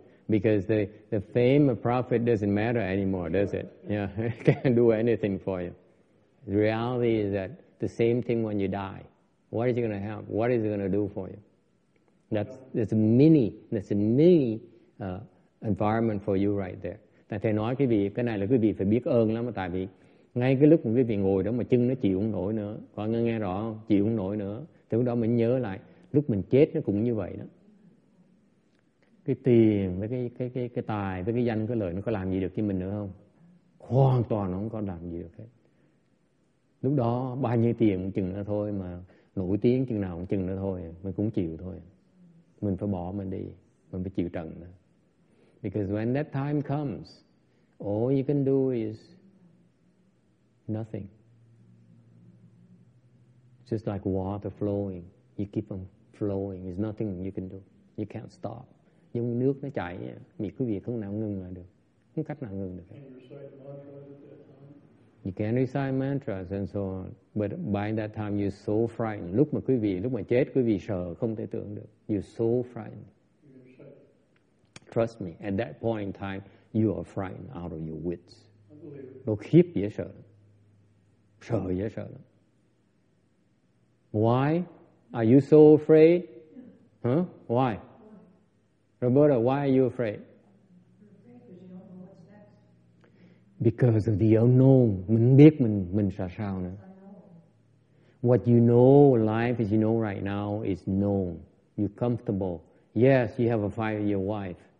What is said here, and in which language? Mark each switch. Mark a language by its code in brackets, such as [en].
[en] Because the fame of profit doesn't matter anymore, does it? Yeah, it can't do anything for you. The reality is that the same thing when you die. What is it going to have? What is it going to do for you? That's a mini environment for you right there. [vi] Tại thầy nói quý vị, cái này là quý vị phải biết ơn lắm. Tại vì ngay cái lúc mà quý vị ngồi đó mà chân nó chịu không nổi nữa. Có nghe rõ không? Chịu không nổi nữa. Thì lúc đó mình nhớ lại, lúc mình chết nó cũng như vậy đó. Cái tiền với cái tài với cái danh cái lợi nó có làm gì được cho mình nữa không? Hoàn toàn nó không có làm gì được hết. Lúc đó bao nhiêu tiền cũng chừng nó thôi, mà nổi tiếng chừng nào cũng chừng nó thôi, mình cũng chịu thôi. Mình phải bỏ mình đi, mình phải chịu trận nữa. [en] Because when that time comes, all you can do is nothing. Just like water flowing, you keep on flowing. There's nothing you can do. You can't stop. [vi] Giống nước nó chảy, mình quý vị không nào ngừng lại được, không cách nào ngừng được. [en] You can recite mantras and so on, but by that time you're so frightened. [vi] Lúc mà quý vị, lúc mà chết, quý vị sợ không thể tưởng được. [en] You're so frightened. Trust me, at that point in time, you are frightened out of your wits. [vi] Nó khiếp dễ sợ, sợ dễ sợ. [en] Why are you so afraid? Huh? Why? Roberta, why are you afraid? Because of the unknown. [vi] Mình biết mình sao sao nữa. [en] What you know, life as you know right now, is known. You're comfortable. Yes, you have a fight with your wife.